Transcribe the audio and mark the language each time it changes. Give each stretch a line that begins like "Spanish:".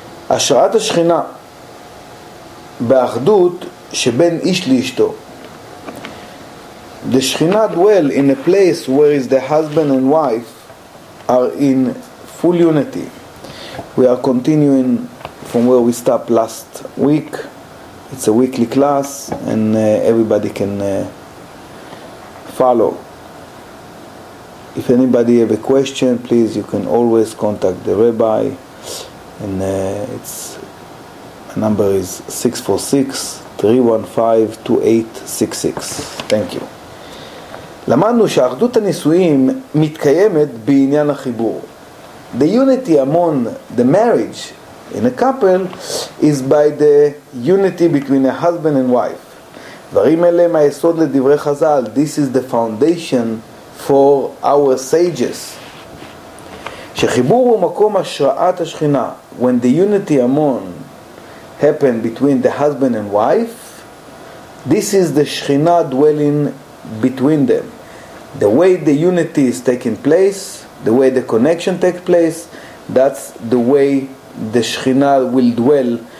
Hebrew: השראת השכינה באחדות שבין איש לאשתו.
English: The Shechina dwell in a place where is the husband and wife are in full unity. We are continuing from where we stopped last week. It's a weekly class and everybody can follow. If anybody have a question, please, you can always contact the rabbi. And it's the number is 646-315-2866. Thank you.
Hebrew: למדנו שאחדות הנישואים מתקיימת בעניין החיבור.
English: The unity among the marriage in a couple is by the unity between a husband and wife.
Hebrew: דברים אלה מהיסוד לדברי חז"ל.
English: This is the foundation for our sages.
Hebrew: שחיבור הוא מקום השראת השכינה.
English: When the unity among happened between the husband and wife, this is the Shechina dwelling between them. The way the unity is taking place, the way the connection takes place, that's the way the Shechina will dwell.